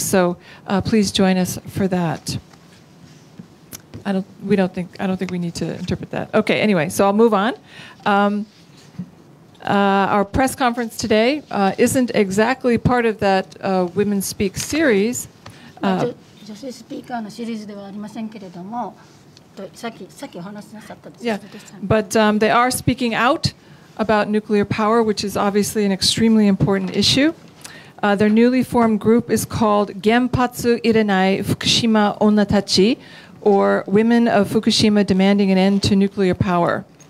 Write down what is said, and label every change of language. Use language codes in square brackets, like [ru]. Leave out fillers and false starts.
[en] So please join us for that. I don't think we need to interpret that. Okay, anyway, so I'll move on. Our press conference today isn't exactly part of that Women Speak series. [ja] 女性スピーカーのシリーズではありませんけれども、さっきお話しなさったですね。 [en] But they are speaking out about nuclear power, which is obviously an extremely important issue. Their newly formed group is called Genpatsu Irenai Fukushima Onnatachi, or Women of Fukushima Demanding an End to Nuclear Power.